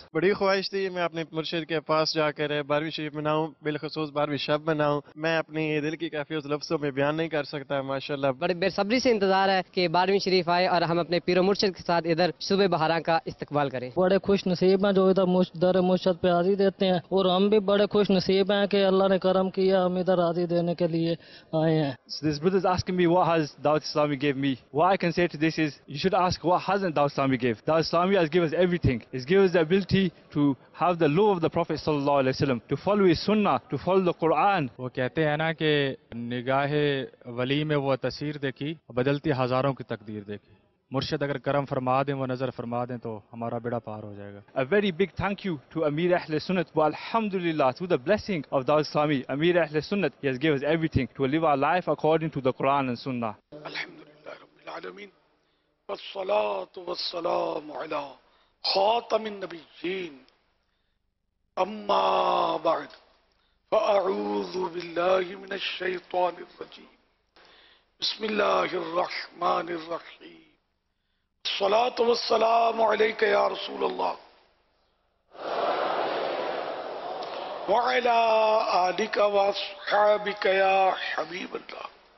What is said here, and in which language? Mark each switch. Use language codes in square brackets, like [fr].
[ur] بڑی خواہش تھی میں اپنے مرشد کے پاس جا کر 12ویں شریف بناؤں، بالخصوص 12ویں شب بناؤں، میں اپنی دل کی کیفیت لفظوں میں بیان نہیں کر سکتا ماشاءاللہ۔ بڑے بے صبری سے انتظار ہے کہ 12ویں شریف آئے اور ہم اپنے پیر و مرشد کے ساتھ ادھر صبح بہاراں کا استقبال کریں۔ بڑے خوش نصیب ہیں جو ادھر در مرشد پہ حاضری دیتے ہیں، اور ہم بھی بڑے خوش نصیب ہیں کہ اللہ نے کرم کیا ہم ادھر حاضری دینے کے لیے آئے ہیں۔ [en] This brother is asking me what has Dawood Islami gave me. What I can say to this is you should ask what hasn't Dawood Islami gave. Dawood Islami has given us everything. It's given us the ability to have the law of the Prophet sallallahu alaihi wasallam, to follow his sunnah, to follow the Quran. [ur] وہ کہتے ہیں نا کہ نگاہ ولی میں وہ تصویر دیکھی بدلتی ہزاروں کی تقدیر دیکھی۔ مرشد اگر کرم فرما دیں، وہ نظر فرما دیں، تو ہمارا بیڑا پار ہو جائے گا۔ [en] A very big thank you to Amir Ahl Sunnat. Alhamdulillah, through the blessing of Dawood Islami, Amir Ahl Sunnat, he has given us everything to live our life according to the Quran and Sunnah. [ar] Alhamdulillah rabbil alamin. Wassalatu wassalamu ala خاتم النبیین، اما بعد فاعوذ باللہ من الشیطان الرجیم، بسم اللہ الرحمن الرحیم، الصلاۃ والسلام علیک یا رسول اللہ وعلى آلک واصحابک یا حبیب اللہ۔